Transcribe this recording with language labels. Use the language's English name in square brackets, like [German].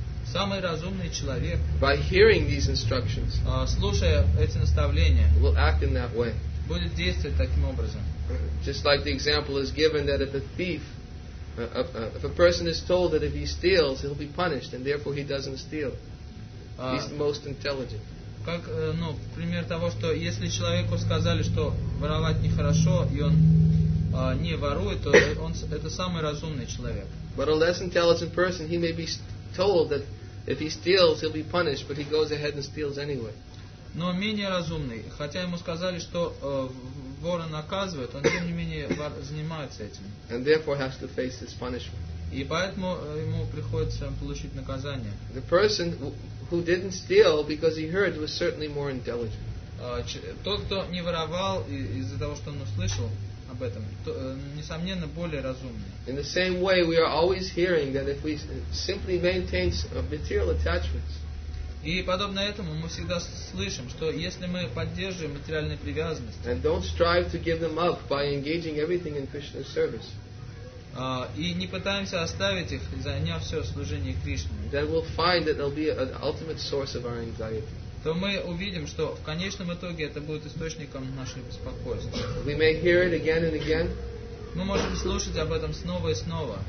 [Russian] самый разумный человек, [English] by hearing these instructions, [Russian] слушая эти наставления, [English] will act in that way. [Russian] Будет действовать таким образом. [English] Just like the example is given that if a thief, if a person is told that if he steals, he'll be punished, and therefore he doesn't steal. He's the most intelligent. [Russian] Как, ну, пример того, что если человеку сказали, что воровать нехорошо, и он не ворует, то он это самый разумный человек. [English] But a less intelligent person, he may be told that if he steals, he'll be punished, but he goes ahead and steals anyway. [Russian] Но менее разумный, хотя ему сказали, что вора наказывают, он тем не менее занимается этим. [English] And therefore has to face his punishment. [Russian] И поэтому ему приходится получить наказание. [English] The person who didn't steal because he heard was certainly more intelligent. [Russian] Тот, кто не воровал из-за того, что он услышал, об этом, то, несомненно, более разумные. [English] In the same way, we are always hearing that if we simply maintain material attachments. [Russian] И подобно этому мы всегда слышим, что если мы поддерживаем материальные привязанности. [English] And don't strive to give them up by engaging everything in Krishna's service. [Russian] И не пытаемся оставить их, заняв все служение Кришне, то мы увидим, что в конечном итоге это будет источником нашего беспокойства. [English] We may hear it again and again. [Russian] Мы можем слушать об этом снова и снова.